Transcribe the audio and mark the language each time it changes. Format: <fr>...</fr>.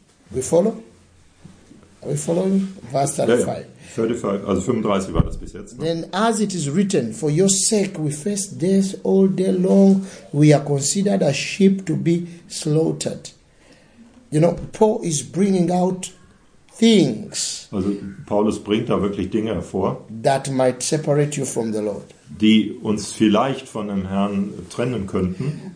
<en>We follow? Are we following? Verse</en> <de>35. Also 35 war das bis jetzt. Ne?</de> <en>Then as it is written, for your sake we face death all day long. We are considered as sheep to be slaughtered. You know, Paul is bringing out things.</en> <de>Also Paulus bringt da wirklich Dinge hervor.</de> <en>That might separate you from the Lord.</en> <de>Die uns vielleicht von dem Herrn trennen könnten.</de>